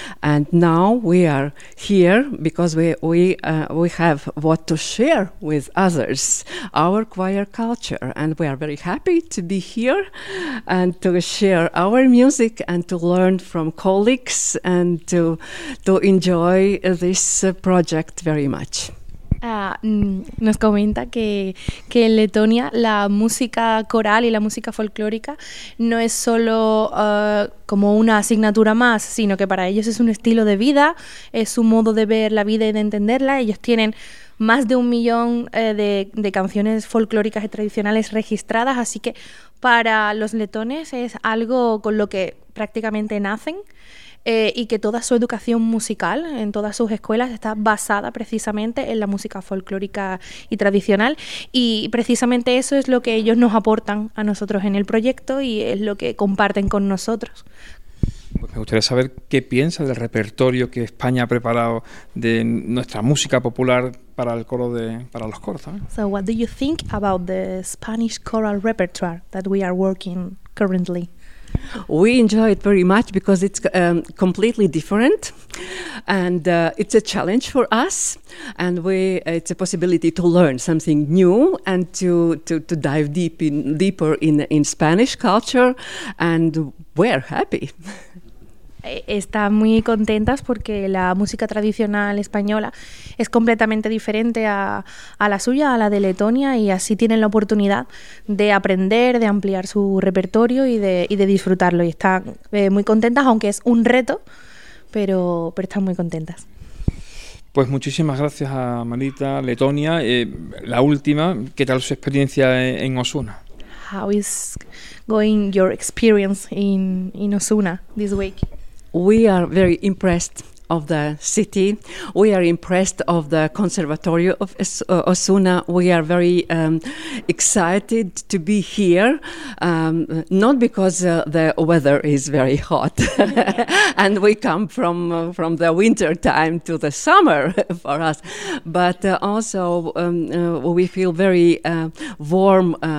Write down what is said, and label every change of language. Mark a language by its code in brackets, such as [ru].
[en] And now we are here because we have what to share with others, our choir culture, and we are very happy to be here and to share our music and to learn from colleagues and to enjoy this project very much. [es] Nos comenta que en Letonia la música coral y la música folclórica no es solo como una asignatura más, sino que para ellos es un estilo de vida, es un modo de ver la vida y de entenderla. Ellos tienen más de 1 millón de canciones folclóricas y tradicionales registradas, así que para los letones es algo con lo que prácticamente nacen. Y que toda su educación musical en todas sus escuelas está basada precisamente en la música folclórica y tradicional, y precisamente eso es lo que ellos nos aportan a nosotros en el proyecto y es lo que comparten con nosotros. Pues me gustaría saber qué piensa del repertorio que España ha preparado de nuestra música popular para los coros también. [en] So what do you think about the Spanish choral repertoire that we are working currently? We enjoy it very much because it's completely different, and it's a challenge for us, and it's a possibility to learn something new and to dive deeper in Spanish culture, and we're happy. [es] Están muy contentas porque la música tradicional española es completamente diferente a la suya, a la de Letonia, y así tienen la oportunidad de aprender, de ampliar su repertorio y de disfrutarlo. Y están muy contentas, aunque es un reto, pero están muy contentas. Pues muchísimas gracias a Marita, Letonia. La última, ¿qué tal su experiencia en Osuna? [en] How is going your experience in Osuna this week? We are very impressed of the city. We are impressed of the Conservatory of Osuna. We are very excited to be here, not because the weather is very hot and we come from the winter time to the summer for us, but also we feel very warm